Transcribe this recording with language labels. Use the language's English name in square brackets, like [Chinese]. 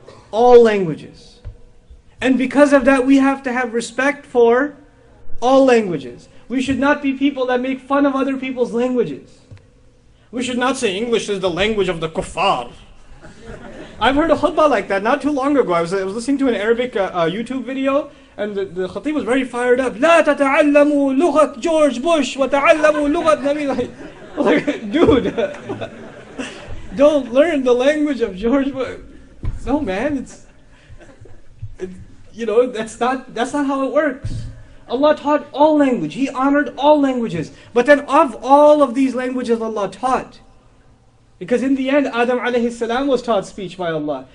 [English] All languages. And because of that, we have to have respect for all languages. We should not be people that make fun of other people's languages. We should not say English is the language of the kuffar. I've heard a khutbah like that not too long ago. I was listening to an Arabic YouTube video, and the khatib was very fired up. [Arabic] لا تتعلموا لغة George Bush وتعلموا لغة نبي. [English] Like, dude, don't learn the language of George Bush. No, man, that's not how it works. Allah taught all language. He honored all languages. But then of all of these languages Allah taught, because in the end, Adam alayhi salam was taught speech by Allah.